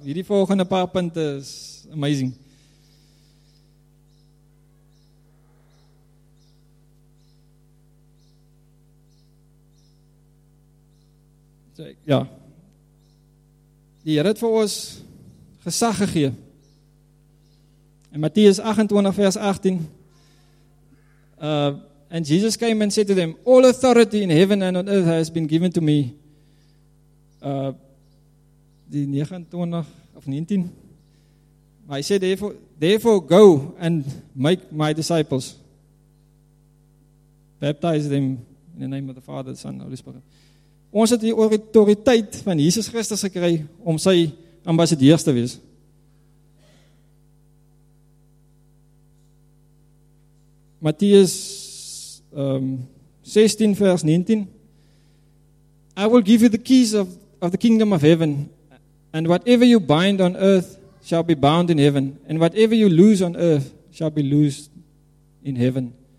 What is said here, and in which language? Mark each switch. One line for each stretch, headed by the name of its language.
Afrikaans: Hierdie volgende paar punte is amazing. So, ja. Die Here het vir ons gesag gegee. In Matteus 28 vers 18
English: and Jesus came and said to them, all authority in heaven and on earth has been given to me.
Afrikaans: Die 19. Maar hy sê,
English: therefore go and make my disciples. Baptize them in the name of the Father, the Son, Holy Spirit.
Afrikaans: Ons het die autoriteit van Jesus Christus gekry om sy ambassadeurs te wees.
English: Matthäus 16 vers 19, I will give you the keys of the kingdom of heaven, and whatever you bind on earth shall be bound in heaven, and whatever you loose on earth shall be loosed in heaven.